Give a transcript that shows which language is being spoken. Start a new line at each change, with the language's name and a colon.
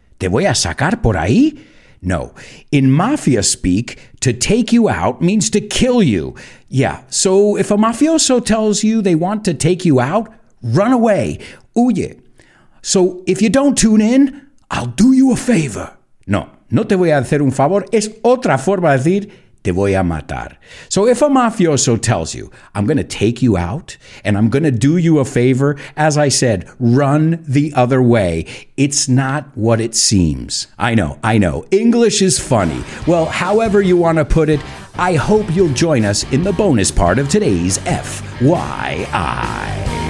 Spanish: Te voy a sacar por ahí? No.
English: In mafia speak, to take you out means to kill you. Yeah, so if a mafioso tells you they want to take you out, run away. Huye. So if you don't tune in, I'll do you a favor.
Spanish: No, no te voy a hacer un favor. Es otra forma de decir, te voy a matar.
English: So if a mafioso tells you, I'm going to take you out and I'm going to do you a favor, as I said, run the other way. It's not what it seems. I know. English is funny. Well, however you want to put it, I hope you'll join us in the bonus part of today's FYI.